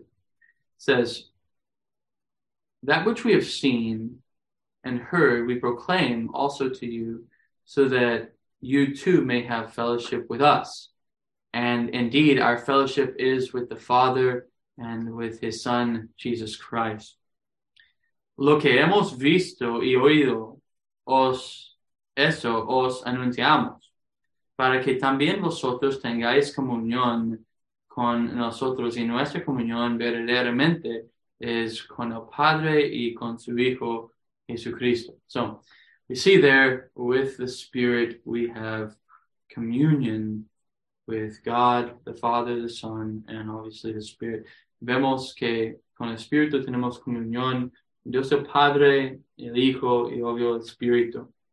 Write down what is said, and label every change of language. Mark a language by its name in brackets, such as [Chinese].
[English] It says, that which we have seen and heard, we proclaim also to you, so that you too may have fellowship with us. And indeed, our fellowship is with the Father and with his Son, Jesus Christ. [Spanish] Lo que hemos visto y oído, os anunciamos, para que también vosotros tengáis comunión con nosotros y nuestra comunión verdaderamente es con el Padre y con su Hijo Jesucristo. [English] So, we see there, with the Spirit, we have communion with God, the Father, the Son, and obviously the Spirit. [Spanish] Vemos que con el Espíritu tenemos comunión, Dios el Padre, el Hijo, y obvio el Espíritu.